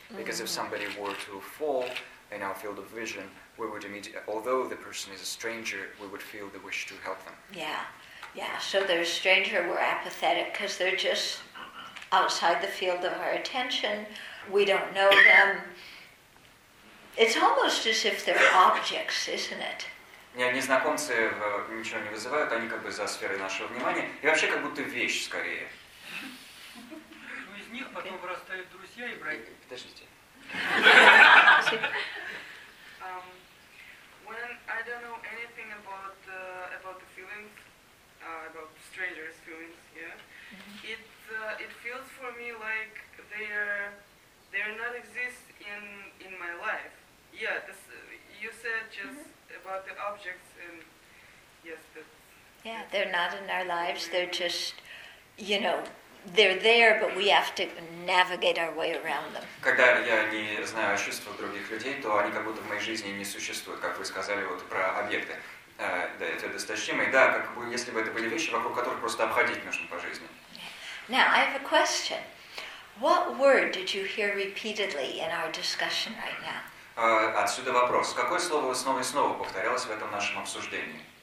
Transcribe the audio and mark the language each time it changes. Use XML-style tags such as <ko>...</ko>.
<en>Because if somebody were to fall in our field of vision, we would immediately, although the person is a stranger, we would feel the wish to help them. Yeah. So they're a stranger, we're apathetic because they're just outside the field of our attention. We don't know them. It's almost as if they're objects, isn't it?</en> <ru>Нет, незнакомцы ничего не вызывают, они как бы за сферой нашего внимания. И вообще как будто вещь скорее. Ну из них потом вырастают друзья и братья. Подождите.</ru> <en>When I don't know anything about the feelings, about strangers' feelings, it feels for me like they're not exist in my life. Yeah, this, you said just about the objects and yes, that's they're not in our lives. They're just, you know, they're there, but we have to navigate our way around them.</en> <ru>Когда я не знаю о чувствах других людей, то они как будто в моей жизни не существуют, как вы сказали вот про объекты. Да, это достаточно. Да, как бы если бы это были вещи, вокруг которых просто обходить нужно по жизни.</ru> <en>Now I have a question. What word did you hear repeatedly in our discussion right now?</en> <ru>Отсюда вопрос. Какое слово снова и снова повторялось в этом нашем обсуждении?</ru>